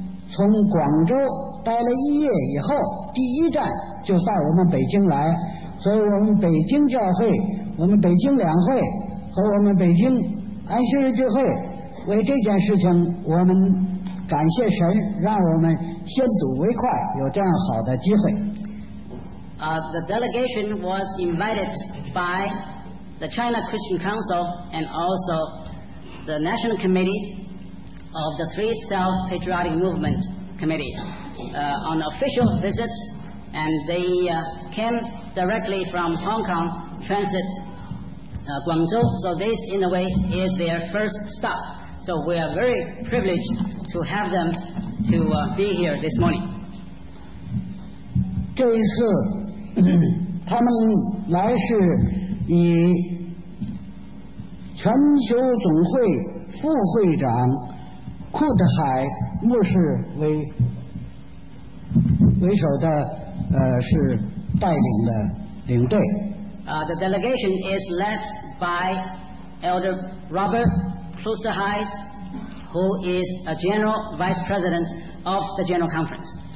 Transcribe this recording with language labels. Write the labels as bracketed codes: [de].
[zh] 从广州待了一夜以后，第一站就到我们北京来，所以我们北京教会、我们北京两会和我们北京安息日聚会为这件事情，我们感谢神让我们先睹为快，有这样好的机会。 [en] The delegation was invited by the China Christian Council and also the National Committee of the Three Self-Patriotic Movement Committee on official visit, and they came directly from Hong Kong, transit Guangzhou. So this, in a way, is their first stop. So we are very privileged to have them to be here this morning. [zh] 这一次他们来是以全球总会副会长库德海牧师为首的是带领的领队。 [en] The delegation is led by Elder Robert Klosterheis, who is a general vice president of the General Conference.